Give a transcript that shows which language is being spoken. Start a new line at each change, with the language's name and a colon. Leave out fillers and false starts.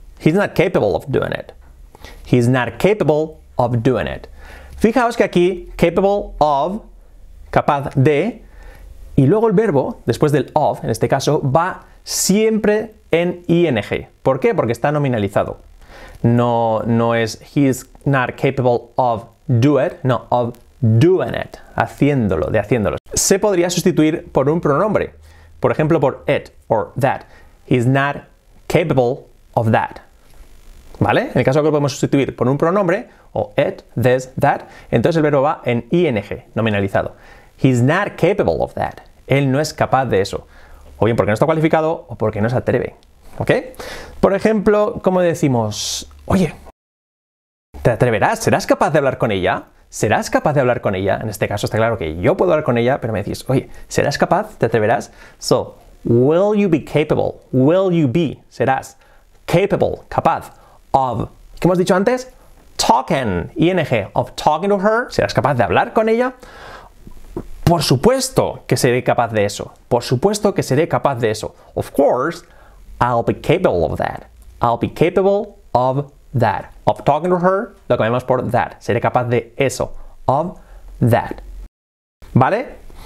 English: He's not capable of doing it. He's not capable of doing it.
Spanish: Fijaos que aquí, capable of, capaz de, y luego el verbo, después del of, en este caso, va siempre en ing. ¿Por qué? Porque está nominalizado. No es
English: he's not capable of do it,
Spanish: no,
English: of doing it,
Spanish: haciéndolo, de haciéndolo. Se podría sustituir por un pronombre, por ejemplo, por it or that.
English: He's not capable of that. ¿Vale?
Spanish: En el caso que lo podemos sustituir por un pronombre, o it, this, that, entonces el verbo va en ing, nominalizado.
English: He's not capable of that.
Spanish: Él no es capaz de eso. O bien porque no está cualificado, o porque no se atreve. ¿Ok? Por ejemplo, ¿cómo decimos? Oye, ¿te atreverás? ¿Serás capaz de hablar con ella? ¿Serás capaz de hablar con ella? En este caso está claro que yo puedo hablar con ella, pero me decís, oye, ¿serás capaz? ¿Te atreverás?
English: So, will you be capable? Will you be?
Spanish: Serás capable, capaz. Of, ¿qué hemos dicho antes?
English: Talking, ing, of talking to her.
Spanish: ¿Serás capaz de hablar con ella? Por supuesto que seré capaz de eso. Por supuesto que seré capaz de eso.
English: Of course, I'll be capable of that. I'll be capable of that. Of talking to her,
Spanish: lo cambiamos por
English: that.
Spanish: Seré capaz de eso.
English: Of that.
Spanish: ¿Vale?